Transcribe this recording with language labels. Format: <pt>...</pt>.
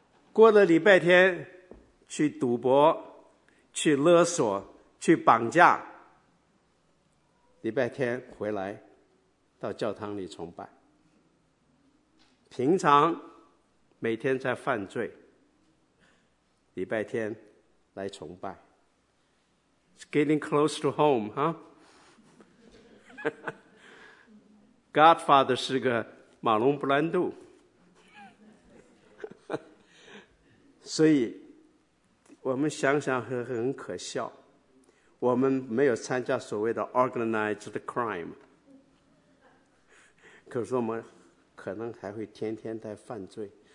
<zh>过了礼拜天去赌博，去勒索，去绑架，礼拜天回来到教堂里崇拜，平常每天在犯罪，礼拜天来崇拜。</zh> <en>It's getting close to home, huh?</en> <zh>Godfather 是个马龙布兰度。所以我们想想很可笑，我们没有参加所谓的 organized crime， 可是我们可能还会天天在犯罪。</zh>